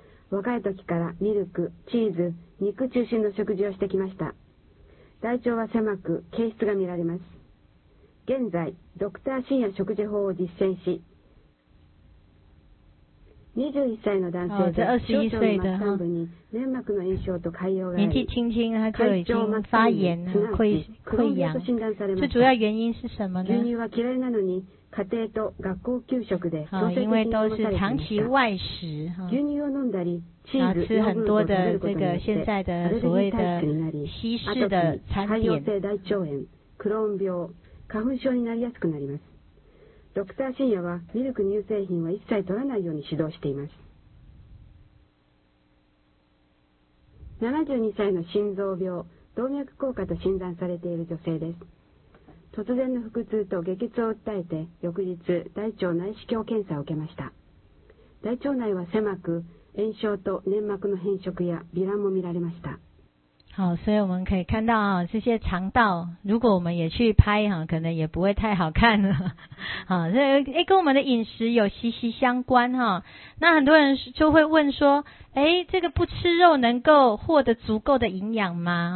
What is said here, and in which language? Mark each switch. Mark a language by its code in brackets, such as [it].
[ja] 若い時からミルク、チーズ、肉中心の食事をしてきました。大腸は狭く、憩室が見られます。現在、ドクター深夜食事法を実践し、21歳の男性で、小腸の末端部に粘膜の炎症と潰瘍があり、 [zh] 年纪轻轻他就已经发炎了、溃疡。 [ja] と診断されました。 [zh] 这主要原因是什么呢？ [ja] 牛乳は嫌いなのに、家庭と学校給食で強制的に飲まされていました。牛乳を飲んだり、チーズ、ヨーグルトを食べることによって、アレルギー体質になり、アトピー、潰瘍性大腸炎、クローン病、花粉症になりやすくなります。ドクター深夜はミルク、乳製品は一切取らないように指導しています。 72歳の心臓病、動脈硬化と診断されている女性です。突然の腹痛と激痛を訴えて、翌日大腸内視鏡検査を受けました。大腸内は狭く、炎症と粘膜の変色や糜爛も見られました。 [zh] 好，所以我们可以看到啊，这些肠道，如果我们也去拍哈，可能也不会太好看了。好，所以跟我们的饮食有息息相关哈。那很多人就会问说，这个不吃肉能够获得足够的营养吗？